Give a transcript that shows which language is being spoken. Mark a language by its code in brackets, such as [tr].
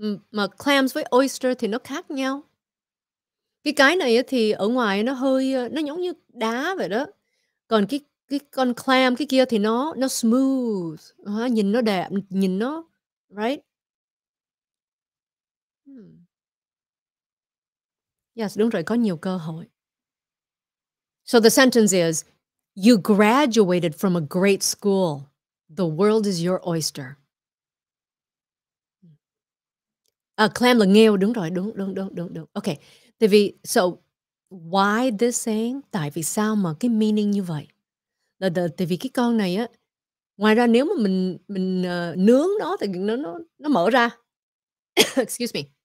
[vi] Mà clams với oyster thì nó khác nhau. Cái này thì ở ngoài nó hơi, nó giống như đá vậy đó. Còn cái con clam cái kia thì nó smooth. Nhìn nó đẹp, nhìn nó, right? Yes, đúng rồi, có nhiều cơ hội. [en] So the sentence is, you graduated from a great school. The world is your oyster. [vi] À, clam là nghêu, đúng rồi, đúng. Okay, tại vì, so, [en] why this saying? [vi] Tại vì sao mà cái meaning như vậy? Là tại vì cái con này á, ngoài ra nếu mà mình nướng nó thì nó mở ra. [en] Excuse me.